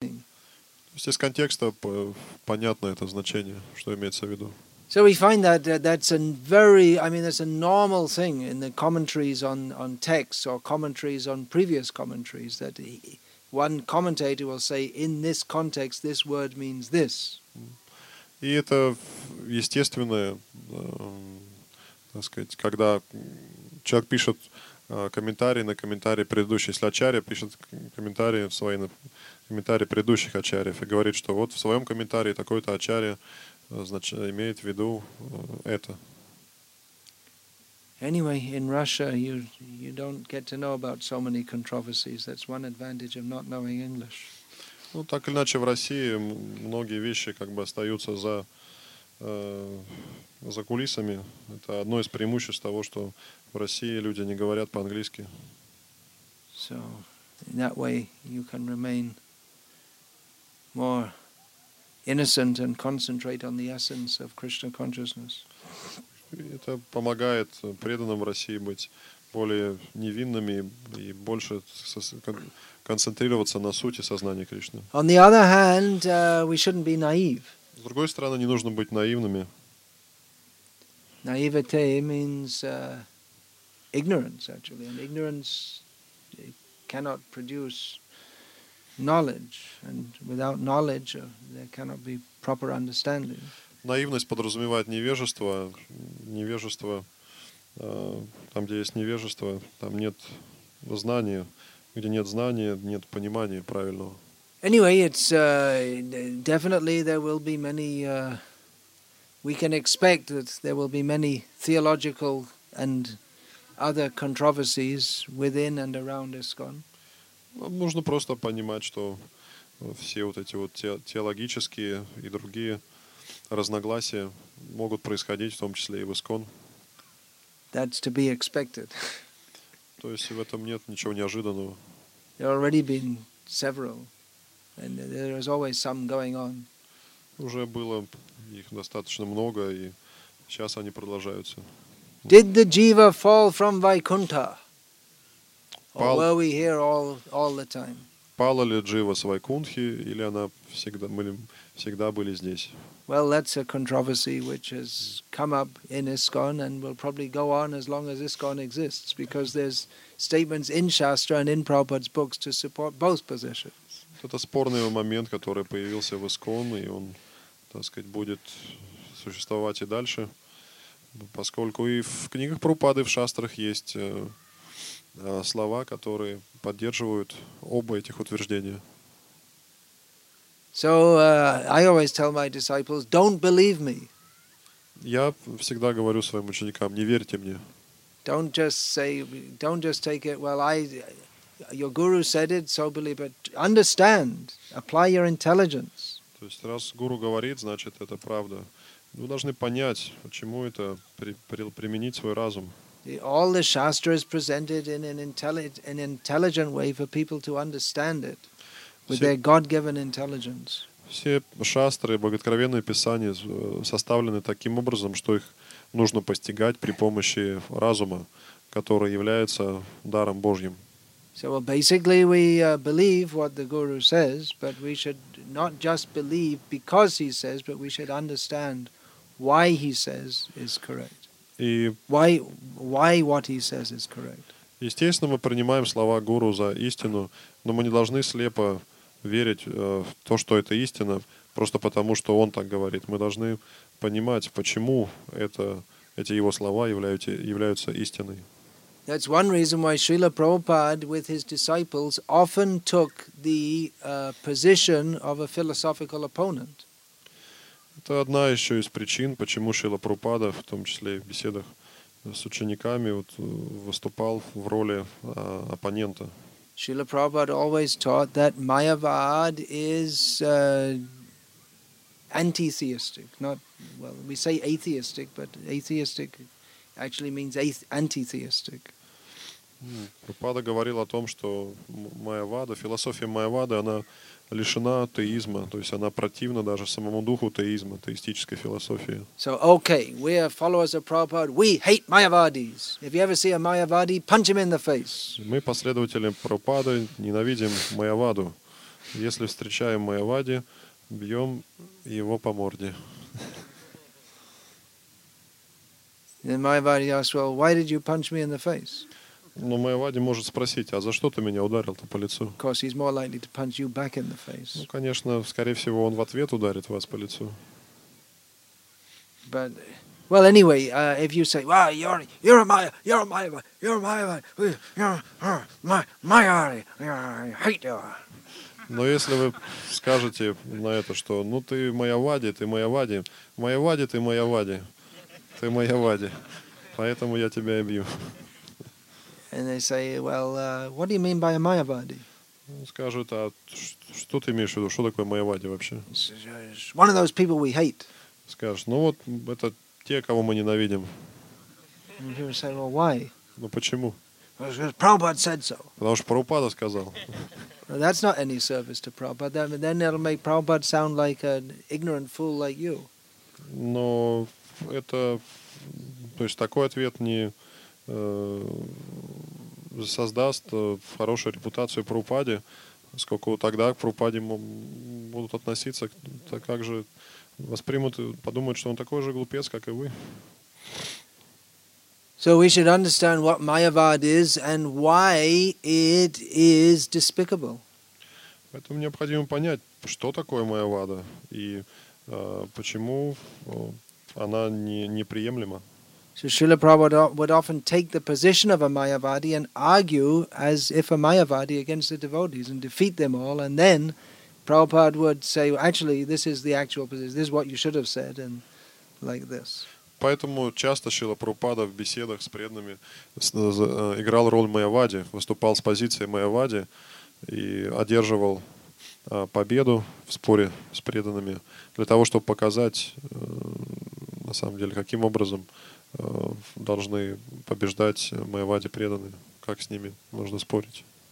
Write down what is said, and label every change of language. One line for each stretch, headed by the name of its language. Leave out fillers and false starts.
Russian: То есть из контекста понятно это значение, что имеется в виду.
English: So we find that that's a very, I mean, that's a normal thing in the commentaries on texts or commentaries on previous commentaries that one commentator will say in this context this word means this.
Russian: И это естественное, так сказать, когда человек пишет комментарий на комментарий предыдущий, если ачарья пишет комментарий свои на комментарии предыдущих ачарьев и говорит, что вот в своем комментарии такой-то ачарья имеет в виду это.
English: Anyway, in Russia you don't get to know about so many controversies. That's one advantage of not knowing English.
Russian: Ну, так или иначе, в России многие вещи как бы остаются за за кулисами. Это одно из преимуществ того, что в России люди не говорят по-английски.
English: So, in that way you can remain more innocent and concentrate on the essence of Krishna consciousness.
Russian: Это помогает преданным в России быть более невинными и больше концентрироваться на сути сознания Кришны.
English: On the other hand, we shouldn't be naive.
Russian: С другой стороны, не нужно быть наивными.
English: Naivete means ignorance, actually, and ignorance cannot produce knowledge, and without knowledge there cannot be proper understanding.
Russian: Наивность подразумевает невежество. Невежество, там, где есть невежество, там нет знания. Где нет знания, нет понимания правильного.
English: Anyway, it's definitely there will be many we can expect that there will be many theological and other controversies within and around ISKCON.
Russian: Нужно просто понимать, что все вот эти вот теологические и другие разногласия могут происходить, в том числе и в ИСКОН.
English: That's to be expected.
Russian: То есть в этом нет ничего неожиданного.
English: There have already been several, and there is always some going on.
Russian: Уже было их достаточно много, и сейчас они продолжаются.
English: Did the jiva fall from Vaikuntha? Or were we here all the time?
Russian: Пала ли джива с Вайкунтхи, или она всегда, мы всегда были здесь?
English: Well, that's a controversy which has come up in ISKCON and will probably go on as long as ISKCON exists, because there's statements in Shastra and in Prabhupada's books to support both positions.
Russian: Это спорный момент, который появился в ISKCON, и он, так сказать, будет существовать и дальше, поскольку и в книгах Прабхупады, в Шастрах есть слова, которые поддерживают оба этих утверждения.
English: So I always tell my disciples, don't believe me.
Russian: Я всегда говорю своим ученикам, не верьте мне.
English: Don't just take it. Well, your guru said it, so believe it. Understand, apply your intelligence.
Russian: То есть раз гуру говорит, значит это правда. Вы должны понять, почему это, применить свой разум.
English: All the shastra is presented in an intelligent way for people to understand it with their God-given intelligence.
Russian: Все шастры, богооткровенные писания составлены таким образом, что их нужно постигать при помощи разума, который является даром Божьим.
English: So, well, basically we believe what the guru says, but we should not just believe because he says, but we should understand why he says is correct.
Russian: И
English: why what he says is correct.
Russian: Естественно, мы принимаем слова гуру за истину, но мы не должны слепо верить в то, что это истина, просто потому, что он так говорит. Мы должны понимать, почему эти его слова являются истиной.
English: That's one reason why Srila Prabhupada with his disciples often took the position of a philosophical opponent.
Russian: Это одна еще из причин, почему Шрила Прабхупада, в том числе и в беседах с учениками, вот, выступал в роли оппонента.
English: Шрила Прабхупада always taught that Mayavad is anti-theistic. Not, well, we say atheistic, but atheistic actually means anti-theistic.
Russian: Прабхупада говорил о том, что Майявада, философия Майявады, она лишена атеизма, то есть она противна даже самому духу атеизма, атеистической философии.
English: So, okay, we are followers of Prabhupada, we hate Mayavadis. If you ever see a Mayavadi, punch him in the face.
Russian: Мы последователи Прабхупады, ненавидим Майяваду. Если встречаем Майавади, бьем его по морде.
English: And Майавади asks, well, why did you punch me in the face?
Russian: Но Майавади может спросить, а за что ты меня ударил-то по лицу?
English: Of course, he's more likely to punch you back in the face.
Russian: Ну, конечно, скорее всего, он в ответ ударит вас по лицу.
English: But, well, anyway, if you say, "Wow, you're a Майавади, I hate you."
Russian: Но если вы скажете на это, что, ну ты Майавади, ты Майавади, Майавади, ты Майавади, ты Майавади, поэтому я тебя и бью.
English: And they say, well, what do you mean by a Mayavadi?
Russian: Скажут, а что ты имеешь в виду? Что такое Mayavadi вообще?
English: One of those people we hate.
Russian: Скажешь, ну вот это те, кого мы ненавидим.
English: And people say, well, why?
Russian: Ну почему?
English: Because Prabhupada said so.
Russian: Потому что Прабхупада сказал.
English: Well, that's not any service to Prabhupada. Then it'll make Prabhupada sound like an ignorant fool like you.
Russian: Но это, то есть такой ответ не создаст хорошую репутацию Прабхупаде, сколько тогда к Прабхупаде будут относиться, так как же воспримут, подумают, что он такой же глупец, как и вы.
English: So we should understand what Mayavad is and why it is despicable.
Russian: Поэтому необходимо понять, что такое Майявада и почему она неприемлема.
English: So Srila Prabhupada would often take the position of a Mayavadi and argue as if a Mayavadi against the devotees and defeat them all, and then Prabhupada would say, actually, this is the actual position, this is what you should have said, and like this.
Russian: Поэтому часто Шрила Прабхупада в беседах с преданными играл роль Майавади, выступал с позиции Майавади и одерживал победу в споре с преданными для того, чтобы показать, на самом деле, каким образом должны побеждать Майавади преданные, как с ними можно спорить.